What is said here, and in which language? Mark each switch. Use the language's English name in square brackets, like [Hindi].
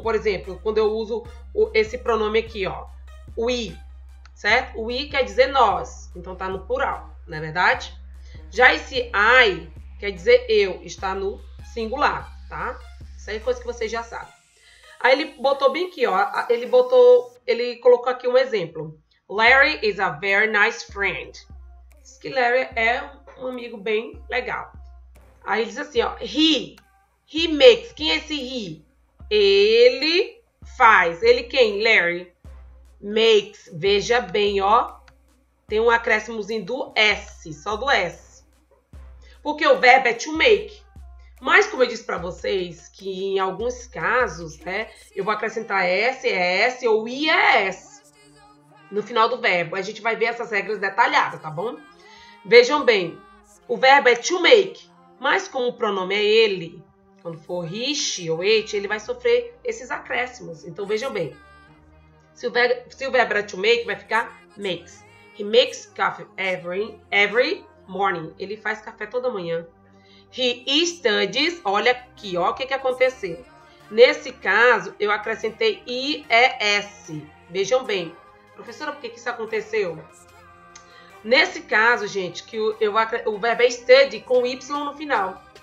[Portuguese] Por exemplo, quando eu uso esse pronome aqui, ó. We, certo? We quer dizer nós. Então, tá no plural, não é verdade? Já esse I quer dizer eu. Está no singular, tá? Isso aí é coisa que vocês já sabem. Aí ele botou bem aqui, ó. Ele colocou aqui um exemplo. [English] Larry is a very nice friend. [Portuguese] Diz que Larry é um amigo bem legal. Aí ele diz assim, ó. He makes. Quem é esse he? Ele faz. Ele quem? Larry. Makes. Veja bem, ó. Tem um acréscimozinho do S. Só do S. Porque o verbo é to make. Mas como eu disse pra vocês, que em alguns casos, né? Eu vou acrescentar S, é S ou I é S. No final do verbo. A gente vai ver essas regras detalhadas, tá bom? Vejam bem. O verbo é to make. Mas como o pronome é ele... Quando for he, she ou it, ele vai sofrer esses acréscimos. Então, vejam bem. Silver Bread to Make vai ficar Makes. [English] He makes coffee every morning. [Portuguese] Ele faz café toda manhã. [English] He studies. [Portuguese] Olha aqui, ó, o que aconteceu. Nesse caso, eu acrescentei IES. Vejam bem. Professora, por que isso aconteceu? Nesse caso, gente, que o verbo é study com Y no final.